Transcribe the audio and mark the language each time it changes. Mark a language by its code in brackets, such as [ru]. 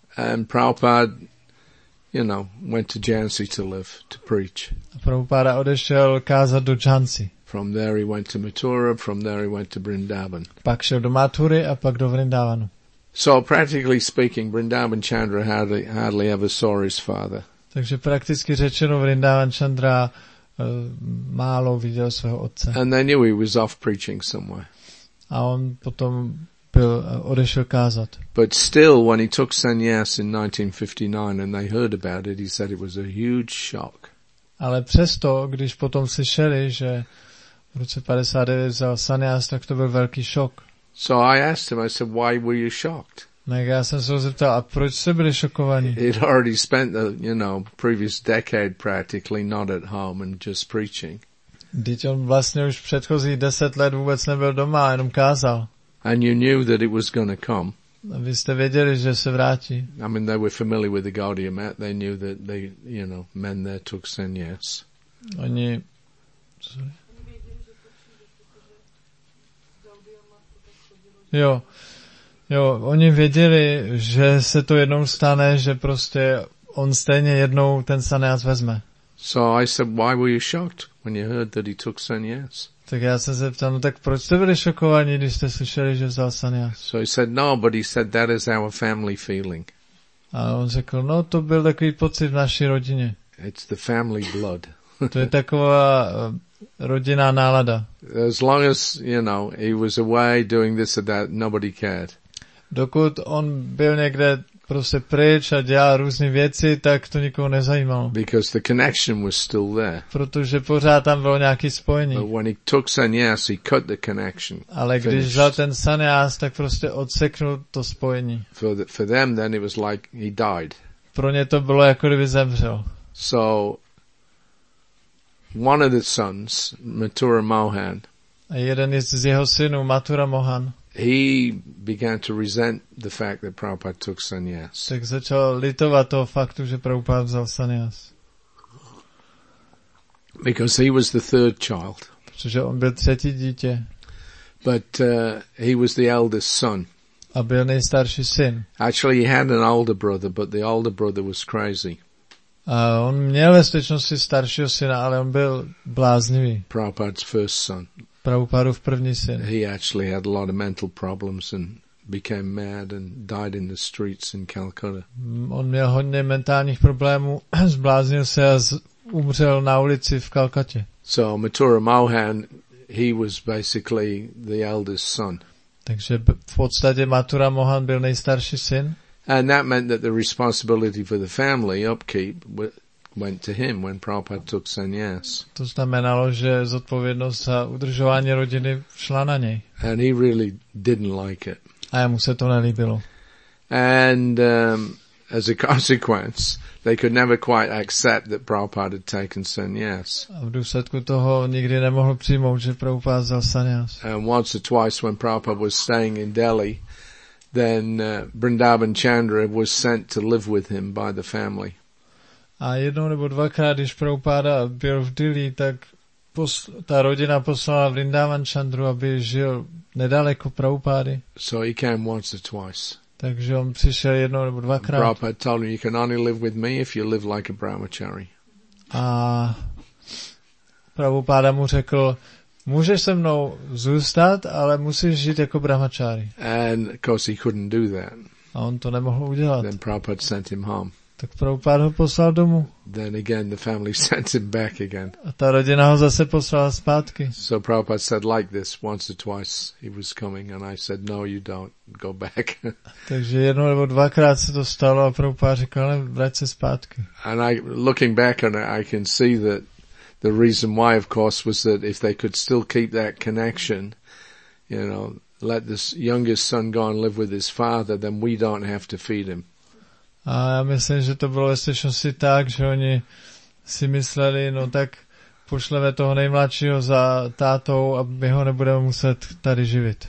[en] And Prabhupád, you know, went to Jhansi to live, to preach. [cs] A Prabhupáda odešel kázat do Jhansi. [en] From there he went to Mathura, from there he went to Brindavan. [cs] Pak šel do Mathury a pak do Vrindavanu. [en] So practically speaking, Brindavan Chandra hardly ever saw his father. [cs] Takže prakticky řečeno, Vrindavan Chandra málo viděl svého otce. [en] And they knew he was off preaching somewhere. [cs] A on potom byl, odešel kázat. [en] But still, when he took sannyas in 1959 and they heard about it, he said it was a huge shock. [cs] Ale přesto, když potom slyšeli, že v roce 59 vzal sannyas, tak to byl velký šok. [en] So I asked him, I said, why were you shocked? [cs] Tak já jsem se ho zeptal, a proč jste byli šokovaní? [en] He'd already spent the, you know, previous decade practically not at home and just preaching. [cs] Vždyť on vlastně už předchozí 10 let vůbec nebyl doma, jenom kázal. [en] And you knew that it was going to come. [cs] Vy jste věděli, že se vrátí. [en] I mean, they were familiar with the Gaudiya Math. They knew that they, you know, men there took sannyas. [cs] Oni, jo, oni věděli, že se to jednou stane, že prostě on stejně jednou ten sannyas vezme. [en] So I said, why were you shocked when you heard that he took sannyas? [cs] Tak já jsem se ptal, no tak proč jste byli šokovaní, když jste slyšeli, že vzal sannyas? [en] So he said, no, but he said, that is our family feeling. [cs] A on řekl, no, to byl takový pocit v naší rodině. [en] It's the family blood. [cs] To je taková rodinná nálada. [en] As long as, you know, he was away doing this or that, nobody cared. [cs] Dokud on byl někde prostě pryč a dělal různé věci, tak to nikoho nezajímalo. [en] Because the connection was still there. [cs] Protože pořád tam bylo nějaké spojení. [en] But when he took sannyas, he cut the connection. [cs] Ale když vzal ten sannyas, tak prostě odseknul to spojení. [en] For them then it was like he died. [cs] Pro ně to bylo, jako kdyby zemřel. [en] So, one of the sons, Mathura Mohan, [cs] a jeden z jeho synů, Mathura Mohan, [en] he began to resent the fact that Prabhupada took sannyas. [cs] Tak začal litovat toho faktu, že Prabhupada vzal sannyas. [en] Because he was the third child. [cs] Protože on byl třetí dítě. [en] But he was the eldest son. [cs] A byl nejstarší syn. [en] Actually, he had an older brother, but the older brother was crazy. [cs] A on měl ve skutečnosti staršího syna, ale on byl bláznivý. [en] Prabhupada's first son. [cs] Prabhupádův první syn. [en] He actually had a lot of mental problems and became mad and died in the streets in Calcutta. [cs] On měl hodně mentálních problémů, zbláznil se a umřel na ulici v Kalkatě. [en] So Mathura Mohan, he was basically the eldest son. [cs] Takže v podstatě Mathura Mohan byl nejstarší syn. [en] And that meant that the responsibility for the family upkeep went to him when Prabhupada took sannyas. [cs] To znamenalo, že zodpovědnost za udržování rodiny šla na něj. [en] And he really didn't like it. [cs] A jemu se to nelíbilo. [en] And as a consequence, they could never quite accept that Prabhupada had taken sannyas. [cs] A v důsledku toho nikdy nemohl přijmout, že Prabhupada vzal sannyas. [en] And once or twice when Prabhupada was staying in Delhi, then Brindavan Chandra was sent to live with him by the family. [cs] A jednou nebo dvakrát, když Prabhupada byl v Dili, tak ta rodina poslala Vrindavan Chandru, aby žil nedaleko Prabhupády. [en] So he came once or twice. [cs] Takže on přišel jednou nebo dvakrát. [en] Prabhupada told him, you can only live with me if you live like a brahmachari. [cs] A Prabhupada mu řekl, můžeš se mnou zůstat, ale musíš žít jako brahmachari. [en] And of course he couldn't do that. [cs] A on to nemohl udělat. [en] Then Prabhupada sent him home. [cs] Tak Prabhupada ho poslal domů. [en] Then again the family sent him back again. [cs] A ta rodina ho zase poslala zpátky. [en] So Prabhupada said like this once or twice he was coming and I said no you don't go back. [cs] Takže jednou nebo dvakrát se to stalo a Prabhupada řekl, ale vrať se zpátky. [en] And I looking back on it I can see that the reason why of course was that if they could still keep that connection, you know, let this youngest son go and live with his father, then we don't have to feed him. [cs] A já myslím, že to bylo ve skutečnosti tak, že oni si mysleli, no tak pošleme toho nejmladšího za tátou a my ho nebudeme muset tady živit.